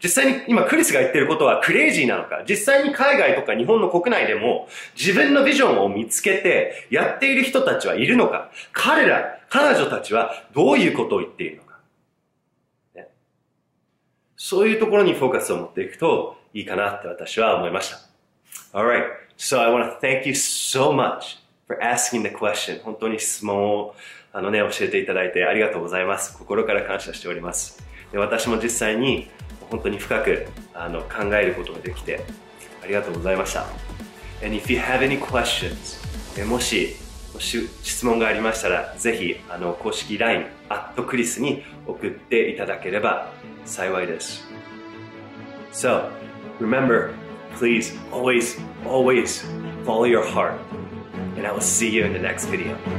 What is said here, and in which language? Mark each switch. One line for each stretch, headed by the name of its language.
Japanese: 実際に今クリスが言ってることはクレイジーなのか。実際に海外とか日本の国内でも自分のビジョンを見つけてやっている人たちはいるのか。彼女たちはどういうことを言っているのか。ね。そういうところにフォーカスを持っていくといいかなって私は思いました。
English: Alright. So I want to thank you so much for asking the question.
Japanese: 本当に質問をあのね、教えていただいてありがとうございます。心から感謝しております。で、私も実際に本当に深くあの考えることができてありがとうございました。
English: And if you have any questions、
Japanese: もし質問がありましたらぜひあの公式 LINE @ クリスに送っていただければ幸いです。
English: So remember, please always follow your heart, and I will see you in the next video.